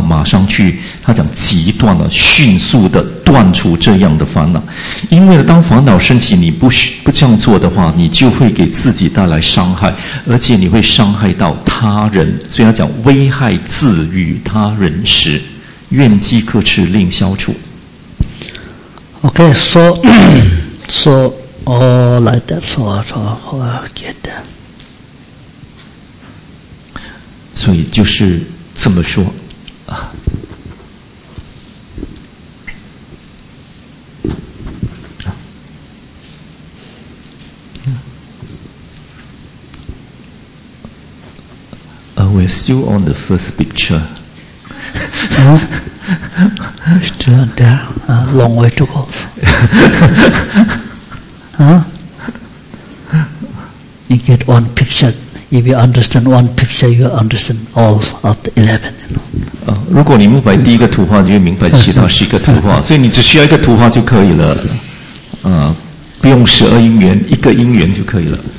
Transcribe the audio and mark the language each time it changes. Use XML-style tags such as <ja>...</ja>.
<zh>马上去，他讲极断了，迅速的断除这样的烦恼。因为当烦恼升起，你不这样做的话，你就会给自己带来伤害，而且你会伤害到他人。所以他讲危害自与他人时，愿即刻持令消除。</zh> <en>Okay, so all like that, so I get that.</en> <zh>所以就是这么说。</zh> <en>We're still on the first picture. Still on there. Long way to go. You get one picture. If you understand one picture, you understand all of the 11. You know?</en> <zh>如果你明白第一个图画，你就明白其他十个图画。所以你只需要一个图画就可以了。不用十二因缘，一个因缘就可以了。</zh>